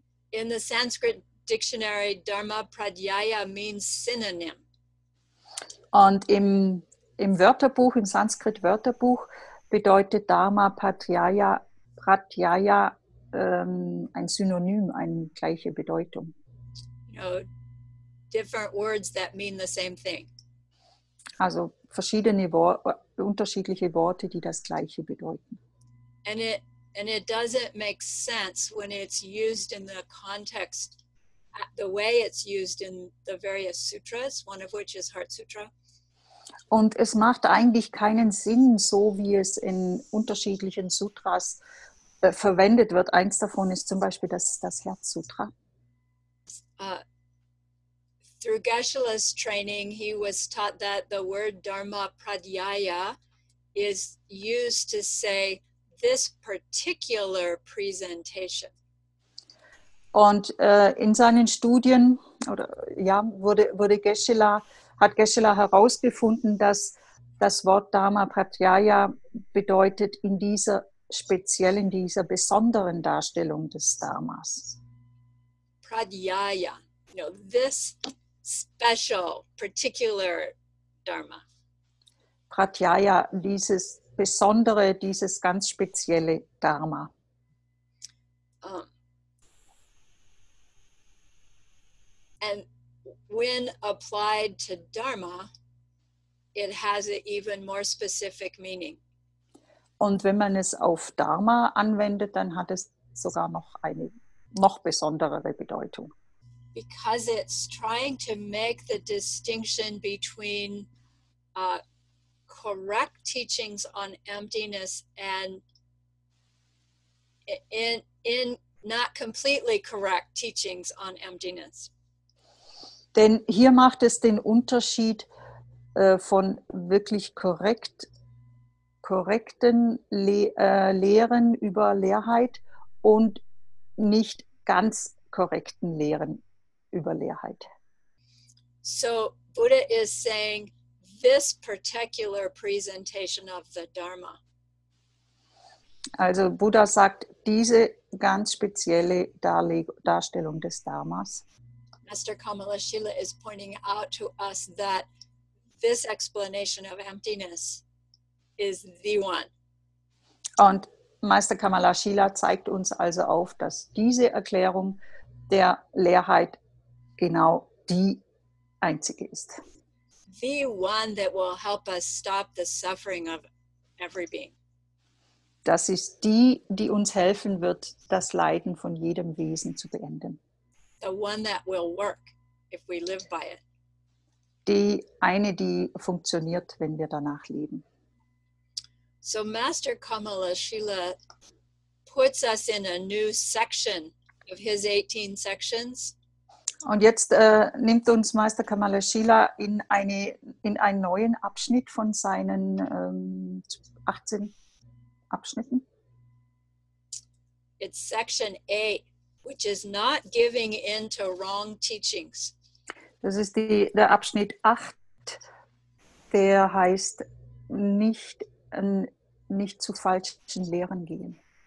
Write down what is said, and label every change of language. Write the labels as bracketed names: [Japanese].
[English] In the Sanskrit dictionary, Dharma Pradyaya means synonym. [German] Und im Sanskrit-Wörterbuch bedeutet Dharma Pratyaya ein Synonym, eine gleiche Bedeutung. [English] You know, different words that mean the same thing. [German] Also verschiedene Worte, unterschiedliche Worte, die das gleiche bedeuten. [English] And it doesn't make sense when it's used in the context, the way it's used in the various sutras, one of which is Heart Sutra. [German] Und es macht eigentlich keinen Sinn, so wie es in unterschiedlichen Sutras verwendet wird. Eins davon ist zum Beispiel das Herz-Sutra. [English] Through Geshe-la's training, he was taught that the word Dharma Pradyaya is used to say this particular presentation. [German] Und in seinen Studien hat Geshe-la herausgefunden, dass das Wort Dharma Pratyaya bedeutet in dieser speziellen, dieser besonderen Darstellung des Dharmas. [English] Pratyaya, you know, this special, particular Dharma. [German] Pratyaya, dieses besondere, dieses ganz spezielle Dharma. [English] When applied to Dharma, it has an even more specific meaning. [German] Und wenn man es auf Dharma anwendet, dann hat es sogar noch eine noch besonderere Bedeutung. [English] Because it's trying to make the distinction between correct teachings on emptiness and in not completely correct teachings on emptiness. [German] Denn hier macht es den Unterschied von wirklich korrekten Lehren über Leerheit und nicht ganz korrekten Lehren über Leerheit. [English] So Buddha is saying this particular presentation of the Dharma. [German] Also Buddha sagt diese ganz spezielle Darstellung des Dharmas. [English] Master Kamala Shila is pointing out to us that this explanation of emptiness is the one. [German] Und Meister Kamala Shila zeigt uns also auf, dass diese Erklärung der Leerheit genau die einzige ist. [English] The one that will help us stop the suffering of every being. [German] Das ist die, die uns helfen wird, das Leiden von jedem Wesen zu beenden. [English] The one that will work if we live by it. [German] Die eine, die funktioniert, wenn wir danach leben. [English] So Master Kamala Shila puts us in a new section of his 18 sections. [German] Und jetzt nimmt uns Meister Kamala Shila in einen neuen Abschnitt von seinen 18 Abschnitten. [English] It's section 8, which is not giving in to wrong teachings. [German] Das ist der Abschnitt 8, der heißt nicht zu falschen Lehren gehen.